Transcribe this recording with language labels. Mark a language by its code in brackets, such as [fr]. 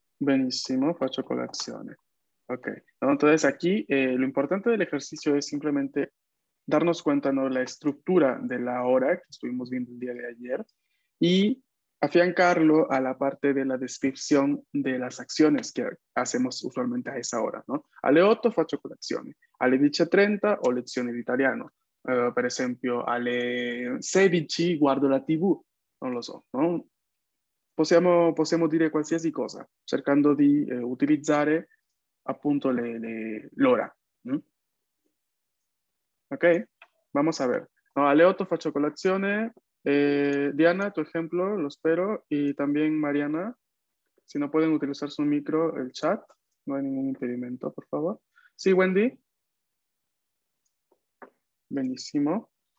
[it] Benissimo, faccio colazione. [es] Ok, no, entonces aquí lo importante del ejercicio es simplemente darnos cuenta, ¿no? La estructura de la hora que estuvimos viendo el día de ayer y afiancarlo a la parte de la descripción de las acciones que hacemos usualmente a esa hora, ¿no? [it] Alle 8 faccio colazione. Alle 10:30 ho lezione di italiano. Per esempio, alle 16 guardo la TV. Non lo so, no? Possiamo dire qualsiasi cosa, cercando di utilizzare appunto l'ora. Ok? [es] Vamos a ver. [it] No, alle 8 faccio colazione. [es] Diana, tu ejemplo, lo espero. Y también Mariana, si no pueden utilizar su micro, el chat, no hay ningún impedimento, por favor. Sí, Wendy. [it] Benísimo.